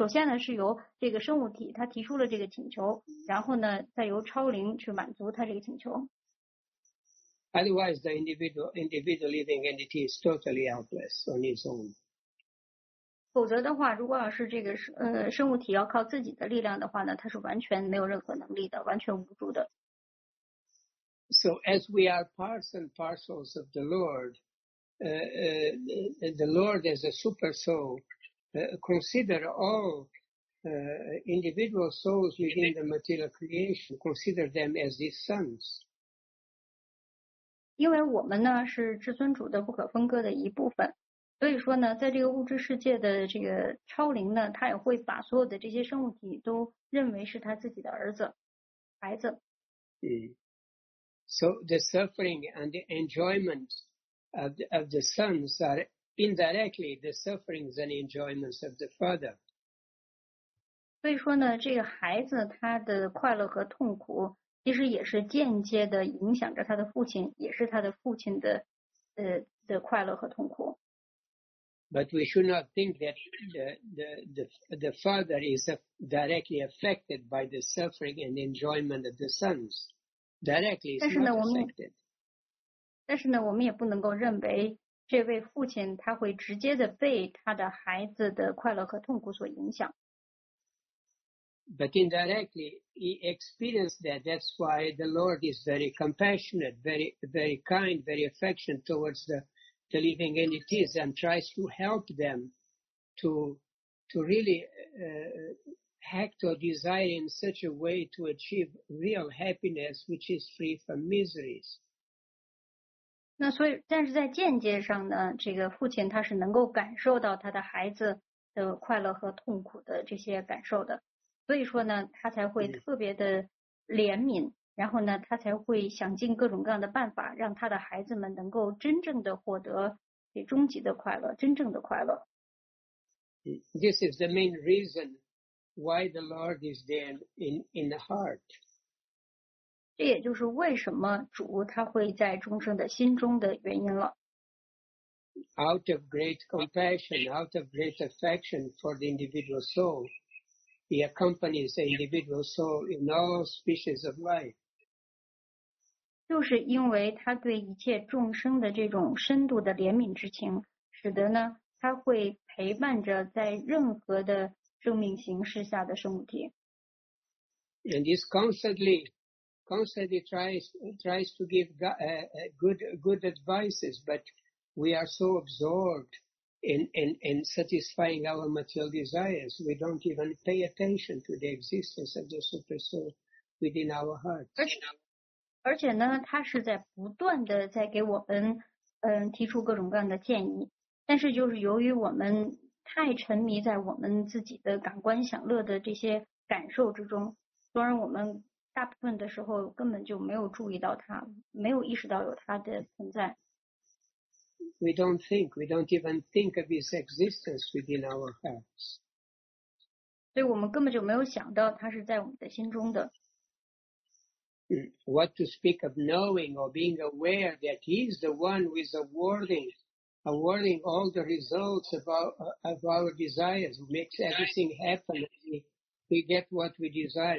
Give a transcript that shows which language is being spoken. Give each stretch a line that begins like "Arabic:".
Chinese: 首先呢，是由这个生物体他提出了这个请求，然后呢，再由超灵去满足他这个请求。
English: Otherwise, the individual living entity is totally helpless on its own.
Chinese: 否则的话，如果要是这个生物体要靠自己的力量的话呢，它是完全没有任何能力的，完全无助的。
English: So as we are parts and parcels of the Lord, the Lord as a super soul, consider all individual souls within the material creation, consider them as his sons.
Chinese: 因为我们呢是至尊主的不可分割的一部分，所以说呢，在这个物质世界的这个超灵呢，他也会把所有的这些生物体都认为是他自己的儿子、孩子。
English: So the suffering and the enjoyment of the sons are indirectly the sufferings and enjoyments of the father.
Chinese: 所以说呢，这个孩子他的快乐和痛苦其实也是间接的影响着他的父亲，也是他的父亲的快乐和痛苦。
English: But we should not think that the father is directly affected by the suffering and enjoyment of the sons.
Chinese: 但是呢我们也不能够认为这位父亲他会直接的被他的孩子的快乐和痛苦所影响。
English: But indirectly, he experienced that. That's why the Lord is very compassionate, very, very kind, very affectionate towards the living entities and tries to help them to really, act or desire in such a way to achieve real happiness, which is free from miseries.
Chinese: 那所以，但是在间接上呢，这个父亲他是能够感受到他的孩子的快乐和痛苦的这些感受的，所以说呢，他才会特别的怜悯，然后呢，他才会想尽各种各样的办法，让他的孩子们能够真正的获得终极的快乐，真正的快乐。
English: This is the main reason. Why the Lord is there in the heart?
Chinese: 这也就是为什么主他会在众生的心中的原因了。
English: Out of great compassion, out of great affection for the individual soul, he accompanies the individual soul in all species of life.
Chinese: 就是因为他对一切众生的这种深度的怜悯之情，使得呢他会陪伴着在任何的生命形式下的圣母体。
English: And he's constantly tries to give good advices, but we are so absorbed in satisfying our material desires, we don't even pay attention to the existence of the super soul within our hearts.
Chinese: 而且呢，他是在不断的在给我们提出各种各样的建议，但是就是由于我们太沉迷在我们自己的感官享乐的这些感受之中，虽然我们大部分的时候根本就没有注意到它，没有意识到有它的存在。
English: We don't even think of its existence within our hearts.
Chinese: 所以我们根本就没有想到它是在我们的心中的。
English: What to speak of knowing or being aware that he's the one who is awarding all the results of our desires, who makes everything happen, we get what we desire.